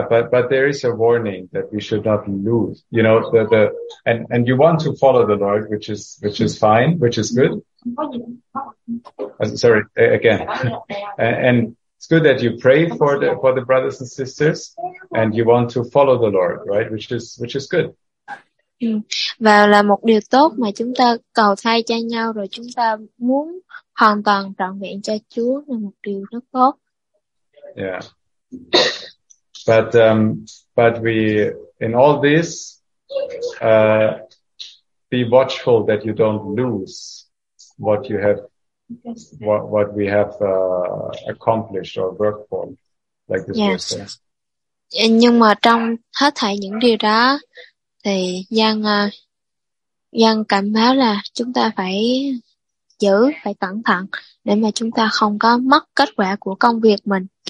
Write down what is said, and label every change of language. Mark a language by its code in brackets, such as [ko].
[en] But there is a warning that we should not lose, you know, and you want to follow the Lord, which is fine, which is good. Sorry, again. And It's good that you pray for the brothers and sisters, and you want to follow the Lord, right? Which is good. [vi] Và là một điều tốt mà chúng ta cầu thay cho nhau rồi chúng ta muốn hoàn toàn trọn vẹn cho Chúa là một điều rất tốt. [en] Yeah. But we in all this be watchful that you don't lose what you have what we have accomplished or worked for like this yes. person. [vi] Nhưng mà trong hết thảy những điều đó thì Giang cảnh báo là chúng ta phải giữ, phải cẩn thận để mà chúng ta không có mất kết quả của công việc mình.